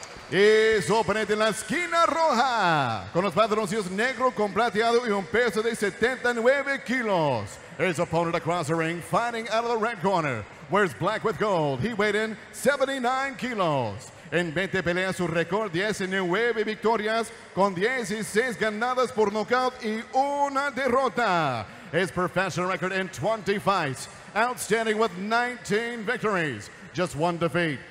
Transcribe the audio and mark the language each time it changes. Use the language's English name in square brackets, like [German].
[Spanish] Y su oponente en la esquina roja, con los pantaloncillos negro con plateado y un peso de 79 kilos. [English] His opponent across the ring, fighting out of the red corner, wears black with gold. He weighed in 79 kilos. [Spanish] En 20 peleas, su récord, 19 victorias, con 16 ganadas por knockout y una derrota. [English] His professional record in 20 fights, outstanding with 19 victories, just 1 defeat.